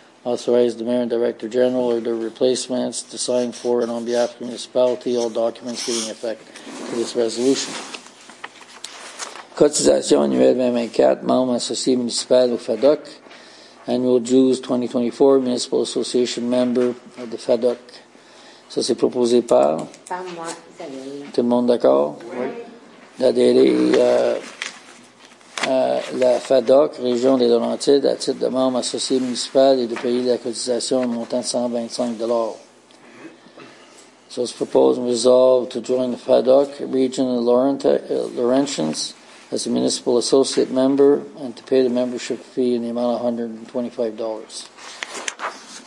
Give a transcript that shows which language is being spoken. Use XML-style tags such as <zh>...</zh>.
<en>Authorize the mayor and director general or their replacements to sign for and on behalf of the municipality all documents giving effect to this resolution.</en> <fr>Cotisation annuelle 2024, membre associé municipal au FADOC.</fr> <en>Annual dues 2024, municipal association member of the FADOC.</en> <fr>Ça, c'est proposé par? Par moi, Isabelle. Tout le monde d'accord? Oui. D'adhérer la FADOC, région des Laurentides, à titre de membre associé municipal et de payer la cotisation à un montant de $125. Ça, c'est proposé,</fr> <en>resolve to join the FADOC, region of Laurentians, as a municipal associate member, and to pay the membership fee in the amount of $125.</en>